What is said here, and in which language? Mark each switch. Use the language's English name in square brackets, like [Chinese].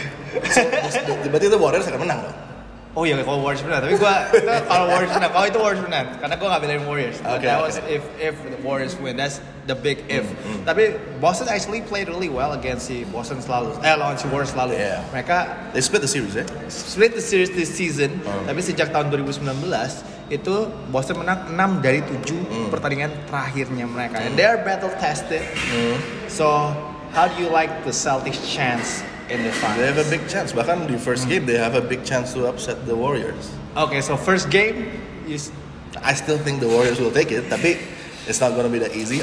[Indonesian] So, berarti the Warriors akan menang dong. Oh iya, kalau Warriors benar. Tapi gue kalau Warriors benar, kalau itu Warriors benar. Karena gue nggak bilang Warriors. [English] But okay. That was if the Warriors win, that's the big if. Tapi Boston actually played really well against [Indonesian] si Boston selalu. Lawan si Warriors selalu. [English] Yeah. [Indonesian] Mereka [English] they split the series, eh? Split the series this season. [Indonesian] Tapi sejak tahun 2019 itu Boston menang 6 dari 7 pertandingan terakhirnya mereka. [English] And they are battle tested. So how do you like the Celtics' chance? In the they have a big chance. [Indonesian] Bahkan di [English] first game they have a big chance to upset the Warriors. Okay, so first game I still think the Warriors will take it, tapi it's not gonna be that easy.